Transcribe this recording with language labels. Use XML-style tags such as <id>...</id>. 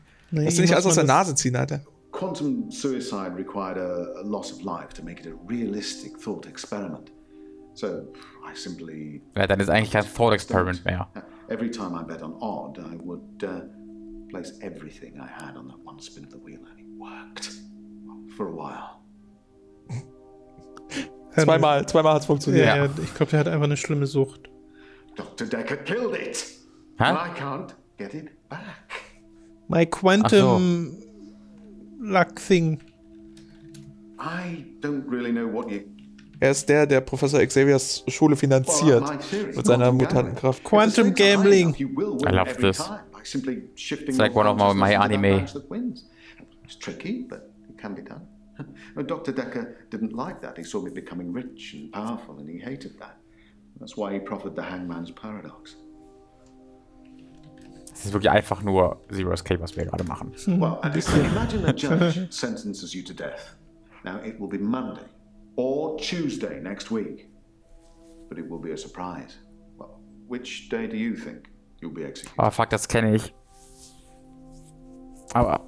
<de>Nee, lass dir nicht alles aus der Nase ziehen, Alter.</de> <en>Quantum suicide required a loss of life to make it a realistic thought experiment. So, I simply...</en> <de>Ja, dann ist eigentlich kein thought experiment mehr.</de> <en>Every time I bet on odd, I would... place everything I had on that one spin of the wheel and it worked. For a while.</en> <de>zweimal hat's funktioniert. Ja, ich glaube, der hat einfach eine schlimme Sucht.</de> <en>Dr. Decker killed it! Hä? And I can't get it back. My quantum luck thing. I don't really know what you...</en> <de>Er ist der Professor Xaviers Schule finanziert. Well, mit seiner Mutantenkraft.</de> <en>Quantum Gambling! I love this. Simply shifting it's like one of my anime. It's tricky, but it can be done. Dr. Decker didn't like that. He saw me becoming rich and powerful, and he hated that. That's why he proffered the Hangman's Paradox.</en> <de>Es ist wirklich einfach nur Zero Escape, was wir gerade machen.</de> <en>Well, imagine a judge sentences you to death. Now, it will be Monday or Tuesday next week. But it will be a surprise. Well, which day do you think? You'll be oh fuck,</en> <de>das kenne ich. Aber</de>